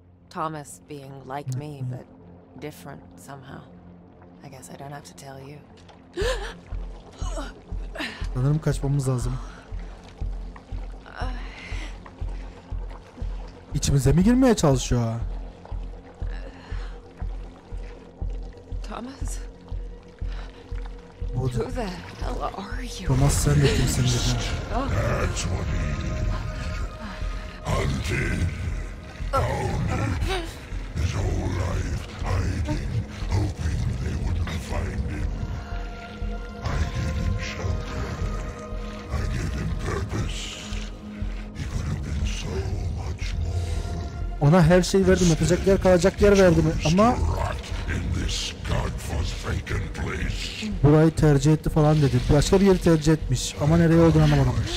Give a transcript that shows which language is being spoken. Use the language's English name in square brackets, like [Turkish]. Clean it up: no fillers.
[English] Thomas being like me but different somehow. I guess I don't have to tell you. [Turkish] Sanırım kaçmamız lazım. İçimize mi girmeye çalışıyor? Thomas. Bu [English] who the hell are you? [Turkish] Thomas sen de kimsin dedi. [English] That's what he did. Until found him. His whole life hiding. Find him. I gave him shelter. I gave him purpose. He could have been so much more. [Turkish] Ona her şeyi verdim. Yatacak yer, kalacak yer verdim. Ama burayı tercih etti falan dedi. Başka bir yeri tercih etmiş. Ama nereye olduğunu anlamadım.